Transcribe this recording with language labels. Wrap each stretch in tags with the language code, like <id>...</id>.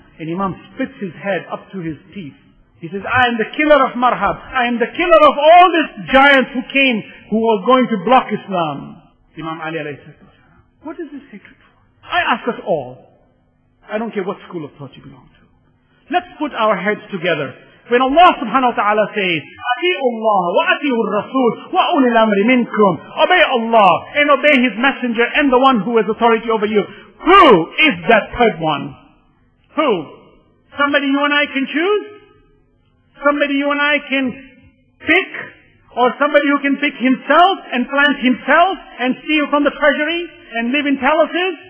<en>And Imam spits his head up to his teeth. He says, I am the killer of Marhab. I am the killer of all these giants who came, who were going to block Islam. Imam Ali alayhi salam. What is this hatred for? I ask us all. I don't care what school of thought you belong to. Let's put our heads together. When Allah subhanahu wa ta'ala says,</en> <ar>أَتِيُوا اللَّهَ وَأَتِيُوا الرَّسُولَ وَأُولِي الْأَمْرِ مِنْكُمْ.</ar> <en>Obey Allah and obey His Messenger and the one who has authority over you. Who is that third one? Who? Somebody you and I can choose? Somebody you and I can pick? Or somebody who can pick himself and plant himself and steal from the treasury and live in palaces?</en>